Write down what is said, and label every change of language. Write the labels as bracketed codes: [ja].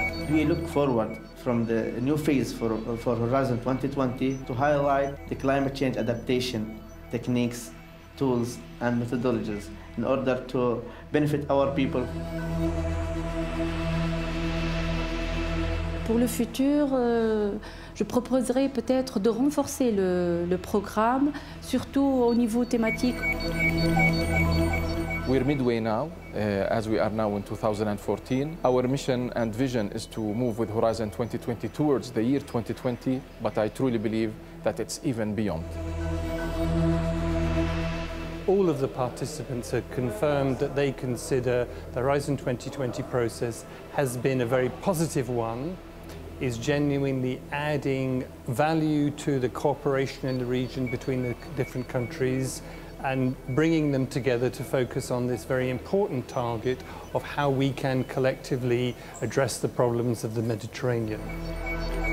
[en] We look forward from the new phase for Horizon 2020 to highlight the climate change adaptation techniques, tools, and methodologies in order to benefit our people. [fr] Pour le futur, je proposerai peut-être de renforcer le programme, surtout au niveau thématique. [en] We're midway now, as we are now in 2014. Our mission and vision is to move with Horizon 2020 towards the year 2020, but I truly believe that it's even beyond. All of the participants have confirmed that they consider the Horizon 2020 process has been a very positive one, is genuinely adding value to the cooperation in the region between the different countries and bringing them together to focus on this very important target of how we can collectively address the problems of the Mediterranean.